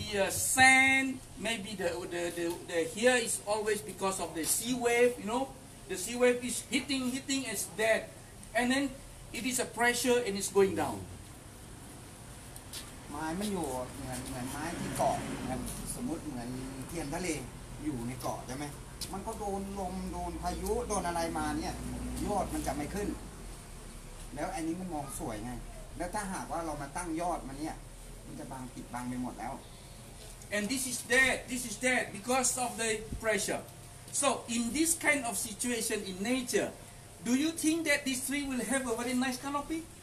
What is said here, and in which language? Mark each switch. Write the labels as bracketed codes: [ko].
[en] sand maybe the here is always because of the sea wave you know the sea wave is hitting is dead and then it is a pressure and it's going down [th] ไม้มันอยู่เหมือนไม้ที่เกาะเหมือนสมมติเหมือนเทียนทะเลอยู่ในเกาะใช่ไหมมันก็โดนลมโดนพายุโดนอะไรมาเนี่ยยอดมันจะไม่ขึ้นแล้วอันนี้มันมองสวยไงแล้วถ้าหากว่าเรามาตั้งยอดมันเนี่ยมันจะบังปิดบังไปหมดแล้ว [en] and this is dead, this is dead because of the pressure. So in this kind of situation in nature, do you think that this tree will have a very nice canopy?